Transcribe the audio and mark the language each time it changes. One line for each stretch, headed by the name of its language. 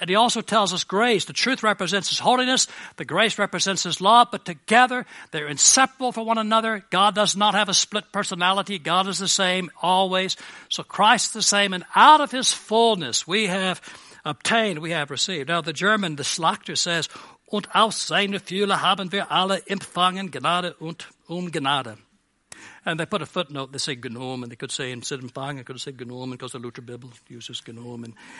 English: And he also tells us grace. The truth represents his holiness. The grace represents his love. But together, they're inseparable from one another. God does not have a split personality. God is the same always. So Christ is the same. And out of his fullness, we have obtained, we have received. Now, the German, the Schlachter says,
German: und aus seiner Fülle haben wir alle empfangen Gnade und Ungnade.
English: And they put a footnote, they say genomen, they could say instead of fang, they could say genomen, because the Luther Bibel uses genomen.